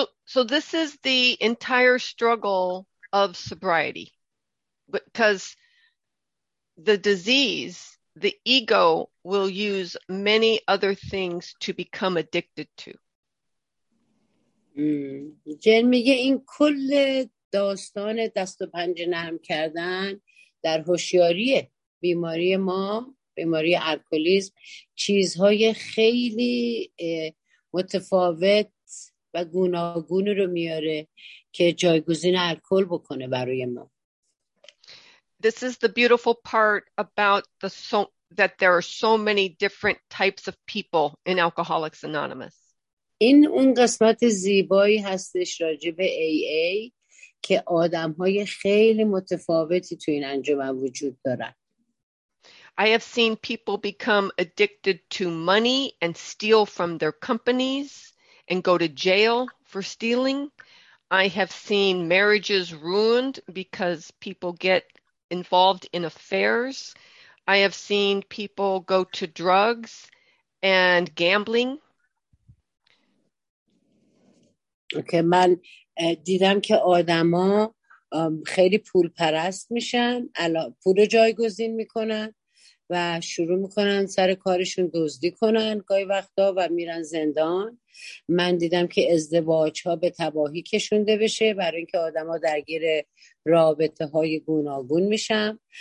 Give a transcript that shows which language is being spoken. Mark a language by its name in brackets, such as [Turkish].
[English] So this is the entire struggle of sobriety, because the disease, the ego, will use many other things to become addicted to. [Persian] جن میگه این کل داستان دست و پنجه نرم کردن در هوشیاری، بیماری ما، بیماری الکلیسم، چیزهای خیلی متفاوت و گوناگون رو میاره که جایگزین الکل بکنه برای ما. [English] This is the beautiful part about that there are so many different types of people in Alcoholics Anonymous. [Persian] این اون قسمت زیبایی هستش راجب AA که آدم‌های خیلی متفاوتی تو این انجمن وجود دارن. [English] I have seen people become addicted to money and steal from their companies and go to jail for stealing. I have seen marriages ruined because people get involved in affairs. I have seen people go to drugs and gambling. [Persian] که من دیدم که آدما خیلی پول پرست میشن، پول رو جایگزین میکنن و شروع میکنن سر کارشون دزدی کنن گاهی وقتا و میرن زندان. من دیدم که ازدواج ها به تباهی کشونده بشه برای اینکه آدما درگیر رابطه های گوناگون میشن.